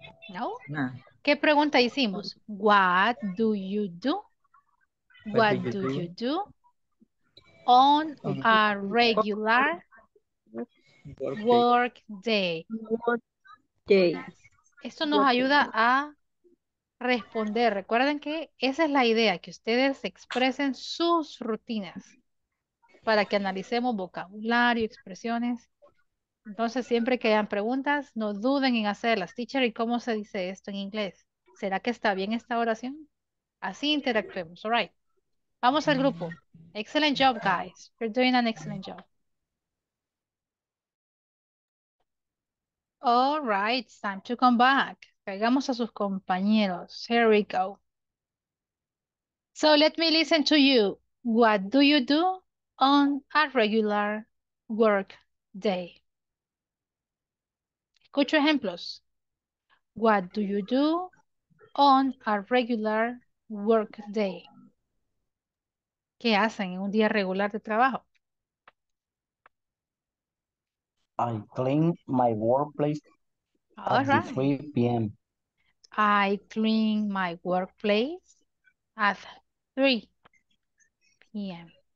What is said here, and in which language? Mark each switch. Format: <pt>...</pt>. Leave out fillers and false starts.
<es>No? Nah. ¿Qué pregunta hicimos?</es> <en>What do you do? What do you do on a regular work day?</en> <es>Esto nos ayuda a responder. Recuerden que esa es la idea, que ustedes expresen sus rutinas para que analicemos vocabulario, expresiones. Entonces, siempre que hayan preguntas, no duden en hacerlas.</es> <en>Teacher,</en> <es>¿y cómo se dice esto en inglés? ¿Será que está bien esta oración? Así interactuemos.</es> <en>All right.</en> <es>Vamos al grupo.</es> <en>Excellent job, guys. You're doing an excellent job. All right, it's time to come back.</en> <es>Pegamos a sus compañeros.</es> <en>Here we go. So let me listen to you. What do you do on a regular work day?</en> <es>Escucho ejemplos.</es> <en>What do you do on a regular work day?</en> <es>¿Qué hacen en un día regular de trabajo?</es> <en>I clean my workplace at 3 p.m. I clean my workplace at 3 p.m.</en>